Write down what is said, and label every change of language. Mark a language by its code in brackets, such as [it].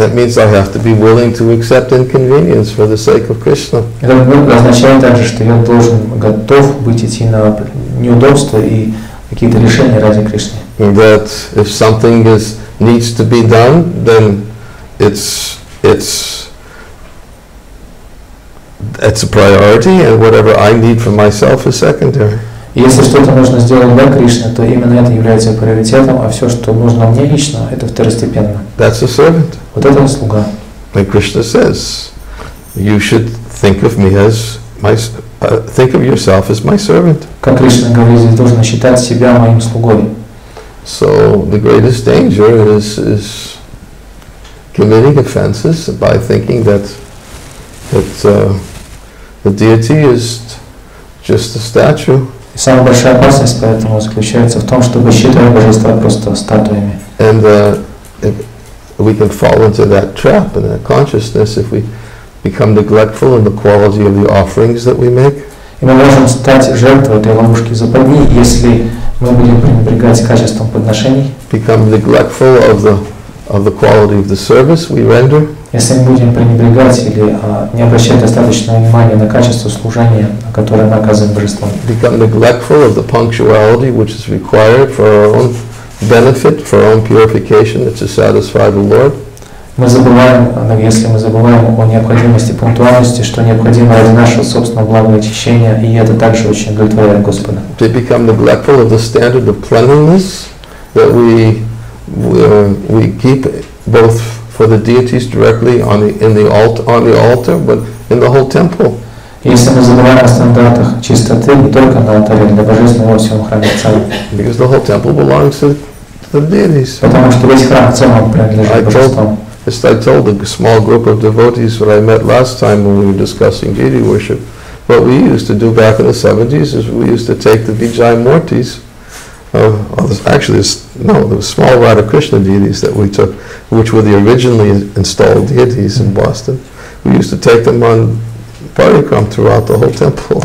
[en] That means I have to be willing to accept inconvenience for the sake of Krishna. [ru] Это означает также, что я должен готов быть идти на неудобства и какие-то решения ради Кришны. [en] that if something is needs to be done, then it's a priority, and whatever I need for myself is secondary. [ru] Если что-то нужно сделать для Кришны, то именно это является приоритетом, а все, что нужно мне лично, это второстепенно. [en] That's a servant. [ru] Вот это слуга. [en] Like Krishna says, you should think of me as my think of yourself as my servant. [ru] Как Кришна говорит, ты должен считать себя моим слугой. [en] So the greatest danger is committing offenses by thinking that the deity is just a statue. [ru] И самая большая опасность поэтому заключается в том, чтобы считать божества просто статуями. [en] And we can fall into that trap in our consciousness if we become neglectful in the quality of the offerings that we make. [ru] И мы можем стать жертвой этой ловушки западни, если мы будем пренебрегать качеством подношений. [en] Become neglectful of the quality of the service we render. [ru] Если мы будем пренебрегать или не обращать достаточного внимания на качество служения, которое мы оказываем божествам. [en] Become neglectful of the punctuality which is required for our own benefit, for our own purification, to satisfy the Lord. [ru] Мы забываем, если мы забываем о необходимости пунктуальности, что необходимо ради нашего собственного блага и очищения, и это также очень удовлетворяет Господа. [en] To become neglectful of the standard of cleanliness that we keep both for the deities directly on the altar, but in the whole temple. [ru] Если мы забываем о стандартах чистоты не только на алтаре, для божественного во всем храме Царя. [en] Because the whole temple belongs to the deities. [ru] Потому что весь храм в целом принадлежит божествам. [en] As I told the small group of devotees that I met last time when we were discussing deity worship, what we used to do back in the 70s is we used to take the Vijayamurtis, the small Radhakrishna deities that we took, which were the originally installed deities in Boston, we used to take them on parikram throughout the whole temple.